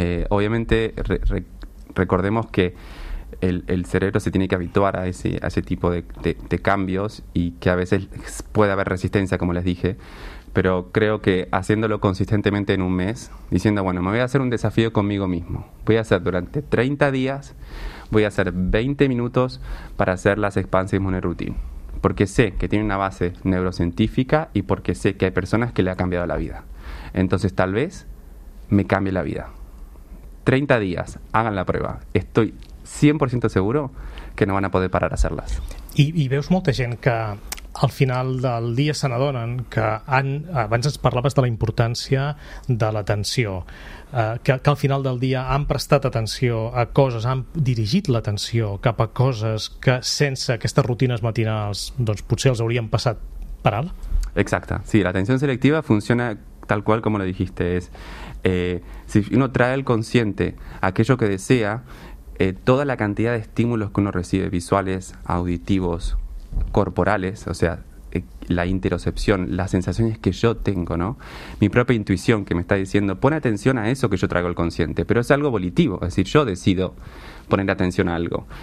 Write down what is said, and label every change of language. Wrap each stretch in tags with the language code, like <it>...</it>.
<es>Obviamente recordemos que el cerebro se tiene que habituar a ese tipo de cambios, y que a veces puede haber resistencia, como les dije, pero creo que haciéndolo consistentemente en un mes, diciendo, bueno, me voy a hacer un desafío conmigo mismo, voy a hacer durante 30 días, voy a hacer 20 minutos para hacer las Expansive Morning Routine, porque sé que tiene una base neurocientífica y porque sé que hay personas que le ha cambiado la vida, entonces tal vez me cambie la vida. 30 días, hagan la prueba, estoy 100% seguro que no van a poder parar a hacerlas.</es> <ca>I veus molta gent que al final del dia se n'adonen que abans ens parlaves de la importància de l'atenció, que al final del dia han prestat atenció a coses, han dirigit l'atenció cap a coses que sense aquestes rutines matinals doncs potser els haurien passat per alt. Exacte, sí, l'atenció selectiva funciona tal qual com</ca> <es>lo dijiste. Si uno trae al consciente aquello que desea, toda la cantidad de estímulos que uno recibe, visuales, auditivos, corporales, o sea, la interocepción, las sensaciones que yo tengo, ¿no? Mi propia intuición que me está diciendo, pon atención a eso que yo traigo al consciente, pero es algo volitivo, es decir, yo decido poner atención a algo.</es>